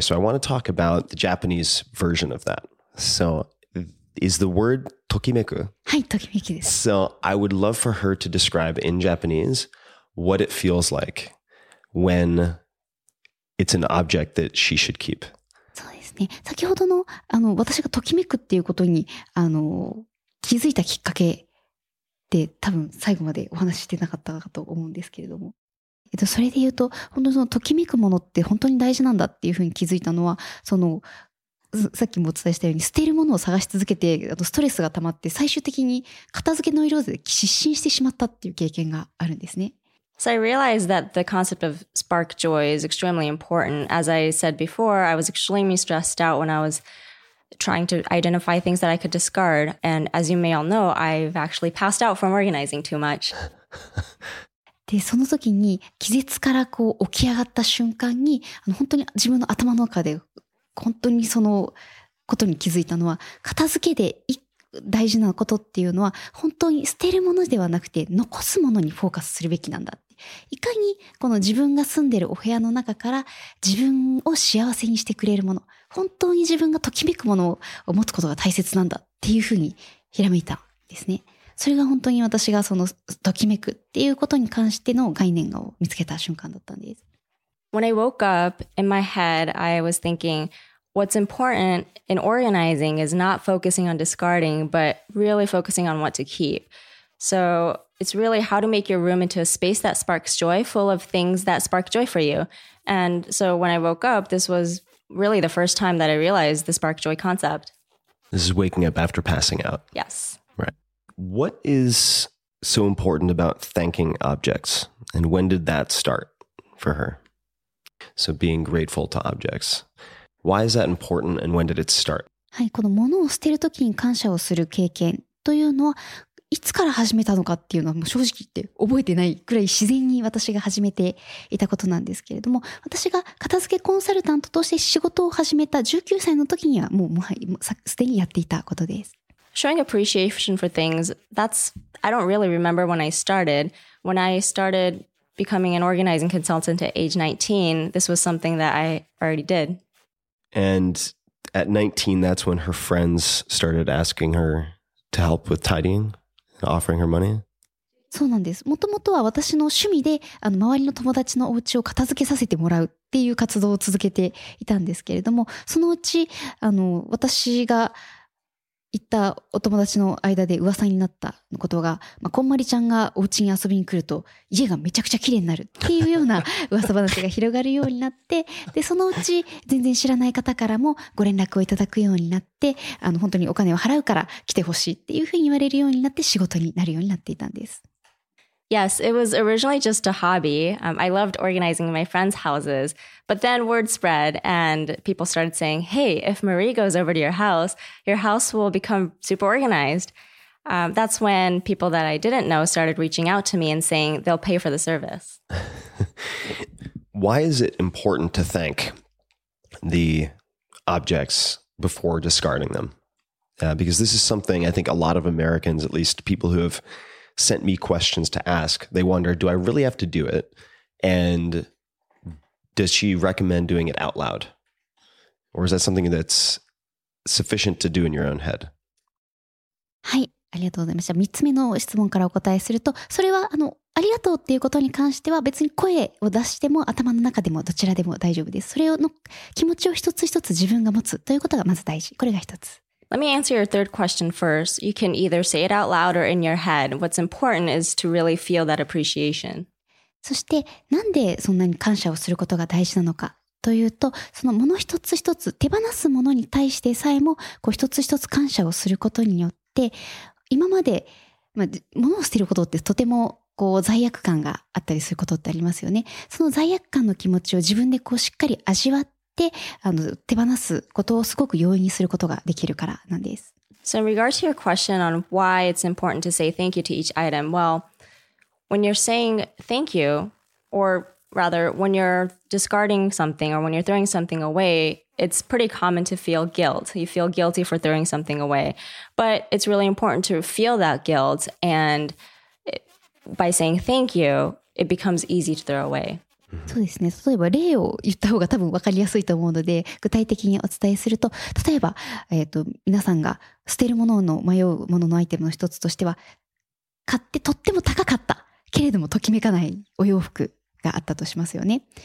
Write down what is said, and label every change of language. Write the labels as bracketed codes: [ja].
[en] So I want to talk about the Japanese version of that. So is the word... Tokimeku. [ja] はい、tokimeki です。 [en] So I would love for her to describe in Japanese what it feels like when it's an object that she should keep. [ja] そうですね。先ほどの、私がときめくっていうことに、気づいたきっかけで多分最後までお話ししてなかったかと思うんですけれども。それで言うと、本当にそのときめくものって本当に大事なんだっていうふうに気づいたのは、そのさっきもお伝えしたように捨てるものを探し続けてあとストレスが溜まって最終的に片付けの色で失神してしまったっていう経験があるんですね。 [en] So I realized that the concept of spark joy is extremely important. As I said before, I was extremely stressed out when I was trying to identify things that I could discard. And as you may all know, I've actually passed out from organizing too much. [ja] でその時に気絶からこう起き上がった瞬間に本当に自分の頭の中で本当にそのことに気づいたのは片付けで大事なことっていうのは本当に捨てるものではなくて残すものにフォーカスするべきなんだっていかにこの自分が住んでるお部屋の中から自分を幸せにしてくれるもの本当に自分がときめくものを持つことが大切なんだっていうふうにひらめいたんですねそれが本当に私がそのときめくっていうことに関しての概念を見つけた瞬間だったんです [en] When I woke up in my head, I was thinking, what's important in organizing is not focusing on discarding, but really focusing on what to keep. So it's really how to make your room into a space that sparks joy, full of things that spark joy for you. And so when I woke up, this was really the first time that I realized the spark joy concept. This is waking up after passing out. Yes. Right. What is so important about thanking objects? And when did that start for her? So being grateful to objects. Why is that important and when did it start? [ja] はい、この物を捨てるときに感謝をする経験というのは、いつから始めたのかっていうのはもう正直言って覚えてないくらい自然に私が始めていたことなんですけれども、私が片付けコンサルタントとして仕事を始めた19歳のときにはもうすでにやっていたことです。 [en] Showing appreciation for things, I don't really remember when I started. When I startedBecoming an organizing consultant at age 19, this was something that I already did. And at 19, that's when her friends started asking her to help with tidying, and offering her money? [ja] そうなんです。もともとは私の趣味で周りの友達のお家を片付けさせてもらうっていう活動を続けていたんですけれども、そのうち私が行ったお友達の間で噂になったことが、まあ、こんまりちゃんがお家に遊びに来ると家がめちゃくちゃ綺麗になるっていうような噂話が広がるようになってでそのうち全然知らない方からもご連絡をいただくようになって、あの本当にお金を払うから来てほしいっていうふうに言われるようになって仕事になるようになっていたんです。 [en] Yes, it was originally just a hobby. I loved organizing my friends' houses. But then word spread and people started saying, hey, if Marie goes over to your house will become super organized. That's when people that I didn't know started reaching out to me and saying they'll pay for the service. Why is it important to thank the objects before discarding them? Because this is something I think a lot of Americans, at least people who have sent me questions to ask, they wonder, do I really have to do it? And does she recommend doing it out loud? Or is that something that's sufficient to do in your own head? [ja] はい、ありがとうございました。3つ目の質問からお答えすると、それはありがとうっていうことに関しては別に声を出しても頭の中でもどちらでも大丈夫です。それの気持ちを一つ一つ自分が持つということがまず大事。これが一つ。 [en] Let me answer your third question first. You can either say it out loud or in your head. What's important is to really feel that appreciation. [ja] そしてなんでそんなに感謝をすることが大事なのかというと、その物一つ一つ手放すものに対してさえもこう一つ一つ感謝をすることによって、今まで、まあ、物を捨てることってとてもこう罪悪感があったりすることってありますよね。その罪悪感の気持ちを自分でこうしっかり味わってで、手放すことをすごく容易にすることができるからなんです。 [en] So in regards to your question on why it's important to say thank you to each item, well, when you're saying thank you, or rather when you're discarding something or when you're throwing something away, it's pretty common to feel guilt. You feel guilty for throwing something away. But it's really important to feel that guilt, and by saying thank you, it becomes easy to throw away. [ja] そうですね。例えば例を言った方が多分分かりやすいと思うので、具体的にお伝えすると、例えば、皆さんが捨てるものの迷うもののアイテムの一つとしては、買ってとっても高かったけれどもときめかないお洋服があったとしますよね。